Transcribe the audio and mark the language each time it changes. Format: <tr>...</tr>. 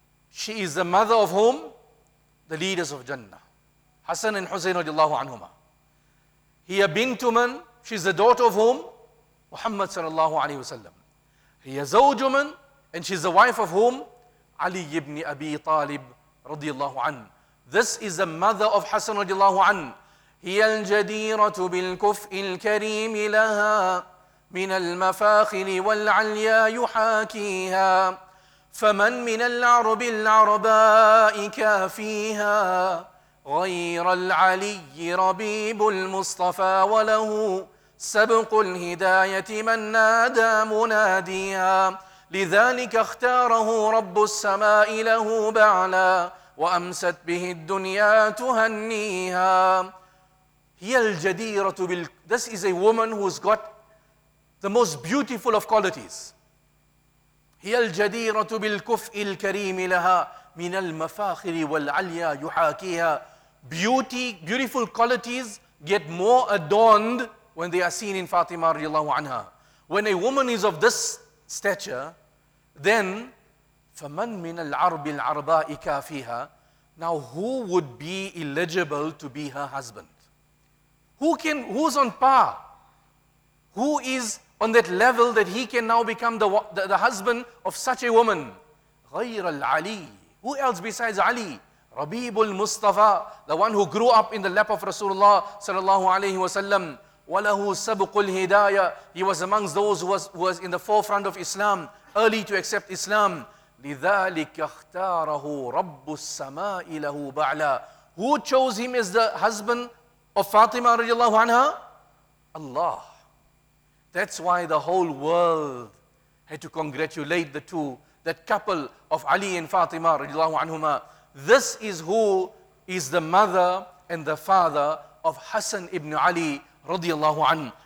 <en>She is the mother of whom? The leaders of Jannah. Hassan and Hussein radiallahu anhuma.</en> <ar>Hiya bintu man,</ar> <en>she's the daughter of whom? Muhammad sallallahu alayhi wa sallam. He is a</en> <ar>zawjuman,</ar> <en>and she's the wife of whom? Ali ibn Abi Talib radiyallahu an. This is the mother of Hassan radiyallahu an.</en> <ar>هي الجديرة بالكفء الكريم لها من المفاخر والعليا يحاكيها فمن من العرب العرباء كافيها غير العلي ربيب المصطفى وله سبق الهداية من نادى مناديا لذلك اختاره رب السماء له بعلا وأمست به الدنيا تهنيها. هي الجديرة بال...</ar> <en>This is a woman who's got the most beautiful of qualities.</en> <ar>هي الجديرة بالكفء الكريم لها من المفاخر والعليا يحاكيها.</ar> <en>Beauty, beautiful qualities get more adorned when they are seen in Fatima radiallahu anha. When a woman is of this stature, then</en> <ar>فمن من العرب العرباء كافيها.</ar> <en>Now who would be eligible to be her husband? Who's on par? Who is on that level that he can now become the husband of such a woman?</en> <ar>غير العلي.</ar> <en>Who else besides Ali?</en> <ar>ربيب المصطفى,</ar> <en>the one who grew up in the lap of Rasulullah sallallahu alayhi wasallam.</en> <ar>وله سبق الهداية.</ar> <en>He was amongst those who was in the forefront of Islam, early to accept Islam.</en> <ar>لذلك اختاره رب السماء له بعلا.</ar> <en>Who chose him as the husband of Fatima radiallahu anha? Allah. That's why the whole world had to congratulate the two, that couple of Ali and Fatima radiallahu anhuma. This is who is the mother and the father of Hassan ibn Ali radiallahu an.</en>